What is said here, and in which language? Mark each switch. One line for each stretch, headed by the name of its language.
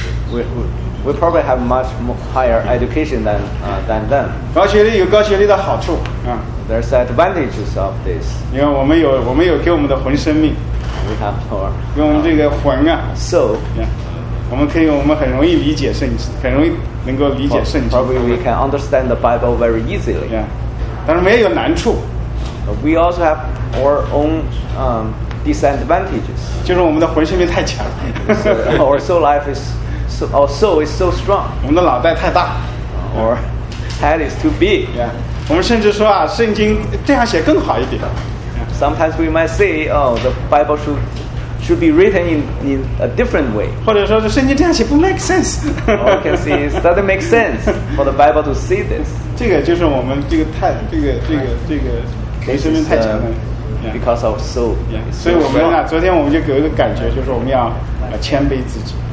English: We probably have much higher education than them.
Chinese: 高学历有高学历的好处。
English: There's advantages of this.
Chinese: 因为我们有给我们的魂生命。
English: We have our.
Chinese: 用我们这个魂啊。
English: So. Yeah.
Chinese: 我们很容易理解圣经，很容易能够理解圣经。
English: Probably we can understand the Bible very easily.
Chinese: Yeah. 但是没有难处。
English: We also have our own disadvantages.
Chinese: 就是我们的魂生命太强。
English: So, our soul life is. So, our soul is so strong.
Chinese: 我们的脑袋太大
English: Our head is too big. Yeah.
Chinese: 我们甚至说啊，圣经这样写更好一点。
English: Sometimes we might say, oh, the Bible should be written in a different way.
Chinese: 或者说是圣经这样写不
English: make sense. Or we can say it doesn't make sense for the Bible to say this.
Chinese: 这个就是我们这个生命太强了。
English: Because of soul. Yeah.
Chinese: 所以我们啊，昨天我们就有一个感觉，就是我们要谦卑自己。